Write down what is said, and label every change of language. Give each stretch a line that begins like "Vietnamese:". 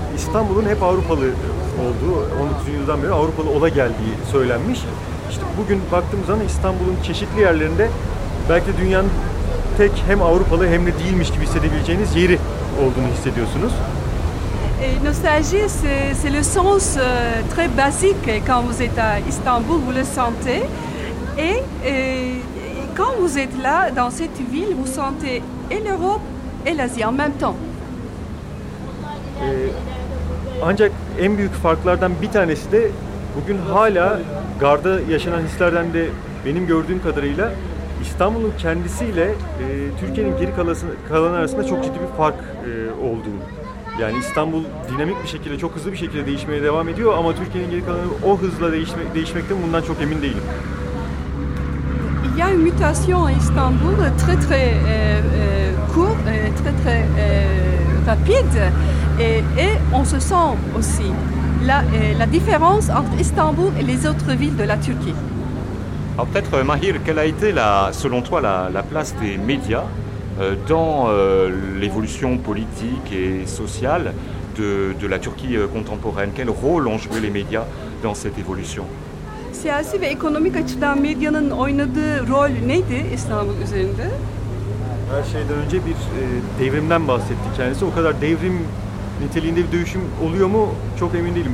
Turkish: İstanbul'un hep Avrupalı olduğu, 19. yüzyıldan beri Avrupalı ola geldiği söylenmiş. İşte bugün baktığımız zaman İstanbul'un çeşitli yerlerinde belki de dünyanın tek hem Avrupalı hem de değilmiş gibi hissedebileceğiniz yeri olduğunu hissediyorsunuz.
French: Nostalgie, c'est le sens très basique. Quand vous êtes à Istanbul, vous le sentez. Et quand vous êtes là, dans cette ville, vous sentez et l'Europe et l'Asie en même temps.
Turkish: Ancak en büyük farklardan bir tanesi de bugün hala garda yaşanan hislerden de benim gördüğüm kadarıyla İstanbul'un kendisiyle Türkiye'nin geri kalanı arasında çok ciddi bir fark olduğu. Yani İstanbul dinamik bir şekilde, çok hızlı bir şekilde değişmeye devam ediyor ama Türkiye'nin geri kalanı o hızla değişmekten bundan çok emin değilim.
French: Il y a une mutation à Istanbul très très court, très très rapide et on se sent aussi la différence entre Istanbul et les autres villes de la Turquie. Alors peut-être Mahir, quelle a été selon toi la place des médias dans l'évolution politique et sociale de la Turquie contemporaine? Quel rôle ont joué les médias dans cette évolution?
Turkish: Siyasi ve ekonomik açıdan medyanın oynadığı rol neydi İstanbul üzerinde? Her şeyden önce bir devrimden bahsetti kendisi. O kadar devrim niteliğinde bir dönüşüm oluyor mu çok emin değilim.